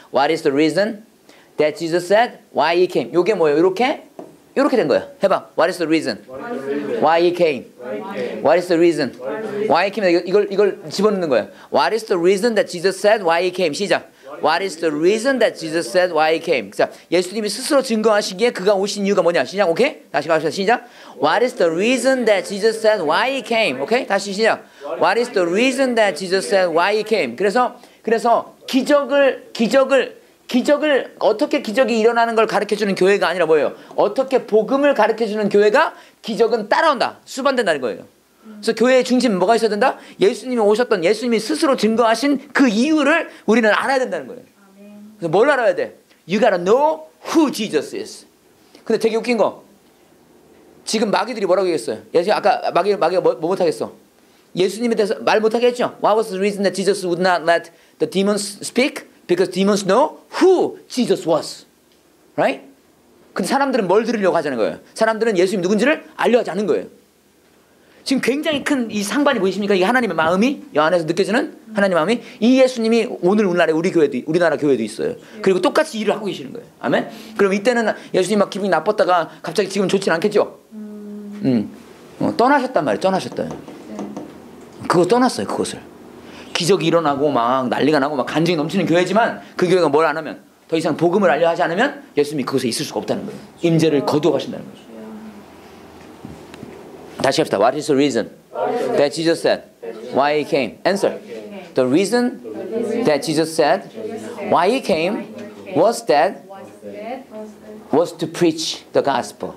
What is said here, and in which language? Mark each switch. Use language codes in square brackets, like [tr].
[en] What is the reason that Jesus said why he came? [ko] 이게 뭐예요? 이렇게. 이렇게 된 거야. 해봐. [en] What is the reason? Why he came? What is the reason? Why he came? [ko] 이걸 집어넣는 거야. [en] What is the reason that Jesus said why he came? [ko] 시작. [en] What is the reason that Jesus said why he came? [ko] 자, 예수님이 스스로 증거하시기에 그가 오신 이유가 뭐냐? 시작. 오케이? 다시 가봅시다. 시작. [en] What is the reason that Jesus said why he came? [ko] 오케이? 다시 시작. [en] What is the reason that Jesus said why he came? [ko] 그래서 기적을 어떻게 기적이 일어나는 걸 가르쳐주는 교회가 아니라 뭐예요? 어떻게 복음을 가르쳐주는 교회가 기적은 따라온다. 수반된다는 거예요. 그래서 교회의 중심은 뭐가 있어야 된다? 예수님이 오셨던 예수님이 스스로 증거하신 그 이유를 우리는 알아야 된다는 거예요. 그래서 뭘 알아야 돼? [en] You gotta know who Jesus is. [ko] 근데 되게 웃긴 거 지금 마귀들이 뭐라고 얘기했어요? 예수님 아까 마귀가 뭐 못하겠어? 예수님에 대해서 말 못하게 했죠? [en] What was the reason that Jesus would not let the demons speak? Because demons know who Jesus was. Right? [ko] 근데 사람들은 뭘 들으려고 하자는 거예요? 사람들은 예수님 누군지를 알려하지 않은 거예요. 지금 굉장히 큰 이 상반이 보이십니까? 이 하나님의 마음이, 이 안에서 느껴지는 하나님의 마음이, 이 예수님이 오늘날에 우리나라 교회도 있어요. 그리고 똑같이 일을 하고 계시는 거예요. 아멘? 그럼 이때는 예수님 막 기분이 나빴다가 갑자기 지금 좋진 않겠죠? 떠나셨단 말이에요. 떠나셨대요. 그거 떠났어요. 그것을. 기적이 일어나고 막 난리가 나고 막 간증이 넘치는 교회지만 그 교회가 뭘 안 하면 더 이상 복음을 알려 하지 않으면 예수님이 그곳에 있을 수가 없다는 거예요. 임재를 거두어 가신다는 거죠. 다시 합시다. [en] What is the reason that Jesus said why he came? Answer. The reason that Jesus said why he came was that was to preach the gospel.